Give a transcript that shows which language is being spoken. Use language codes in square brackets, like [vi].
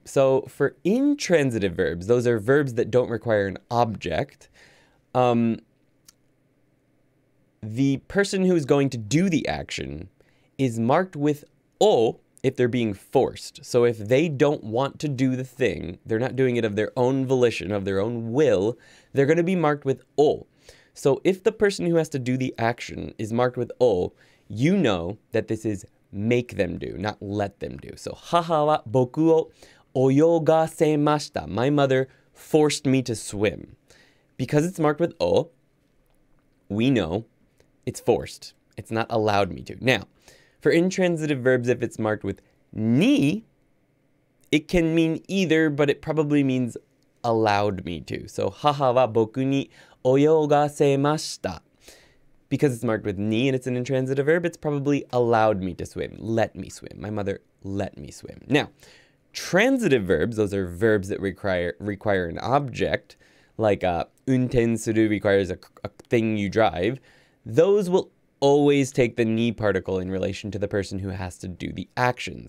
[en] So for intransitive verbs, those are verbs that don't require an object, the person who is going to do the action is marked with o if they're being forced. So if they don't want to do the thing, they're not doing it of their own volition, of their own will, they're going to be marked with o. So if the person who has to do the action is marked with o, you know that this is make them do, not let them do. [ja] So, 母は僕を泳がせました. [en] My mother forced me to swim. Because it's marked with o, we know it's forced. It's not allowed me to. Now, for intransitive verbs, if it's marked with ni, it can mean either, but it probably means allowed me to. [ja] So, 母は僕に泳がせました. [en] Because it's marked with ni and it's an intransitive verb, it's probably allowed me to swim, let me swim. My mother let me swim. Now, transitive verbs, those are verbs that require an object, like unten suru requires a thing you drive, those will always take the ni particle in relation to the person who has to do the action.